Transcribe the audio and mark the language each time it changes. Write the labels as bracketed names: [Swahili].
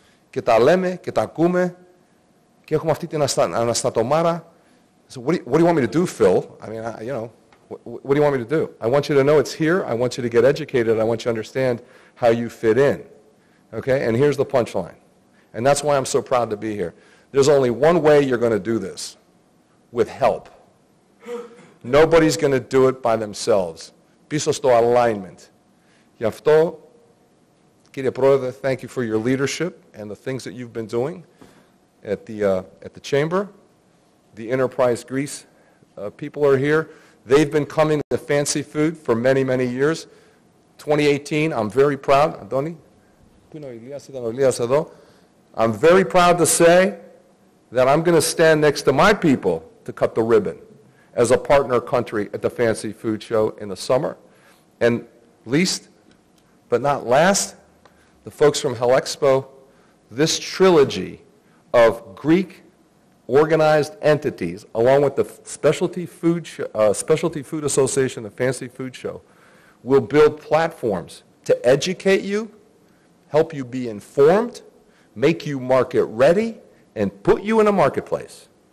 [Greek] Και τα λέμε και τα ακούμε. Και έχουμε αυτή την αναστατωμάρα. [English] So what do you want me to do, Phil? I mean, what do you want me to do? I want you to know it's here. I want you to get educated. I want you to understand how you fit in. Okay? And here's the punchline. And that's why I'm so proud to be here. There's only one way you're going to do this. With help. Nobody's going to do it by themselves. [Greek] Πίσω στο alignment. Γι' αυτό, κύριε πρόεδρε, [English] thank you for your leadership and the things that you've been doing at the chamber. The Enterprise Greece people are here. They've been coming to fancy food for many, many years. 2018, I'm very proud. [Greek] Αντώνη, πού είναι ο Ηλίας, ήταν ο Ηλίας εδώ. [English] I'm very proud to say that I'm going to stand next to my people to cut the ribbon as a partner country at the Fancy Food Show in the summer. And least but not last, the folks from Helexpo, this trilogy of Greek organized entities, along with the Specialty Food Association, the Fancy Food Show, will build platforms to educate you, help you be informed, make you market ready, and put you in a marketplace.